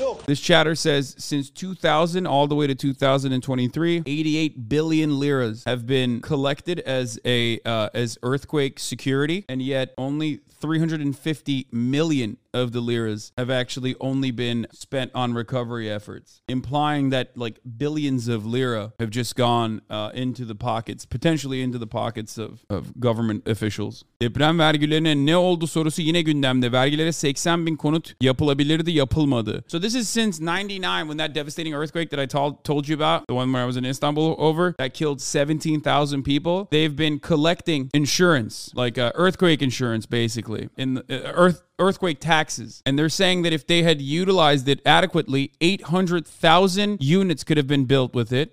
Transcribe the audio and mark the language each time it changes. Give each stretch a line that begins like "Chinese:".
English: This chatter says since 2000 all the way to 2023, 88 billion liras have been collected as earthquake security, and yet only 350 million of the liras have actually only been spent on recovery efforts, implying that like billions of lira have just gone into the pockets, potentially into the pockets of government officials.
Turkish: Deprem vergilerine ne oldu sorusu yine gündemde. Vergilere 80 bin konut yapılabilirdi, yapılmadı.
English: So this is since 99 when that devastating earthquake that I told you about, the one where I was in Istanbul over, that killed 17,000 people. They've been collecting insurance, like earthquake insurance, basically, in the earthquake taxes. And they're saying that if they had utilized it adequately, 800,000 units could have been built with it.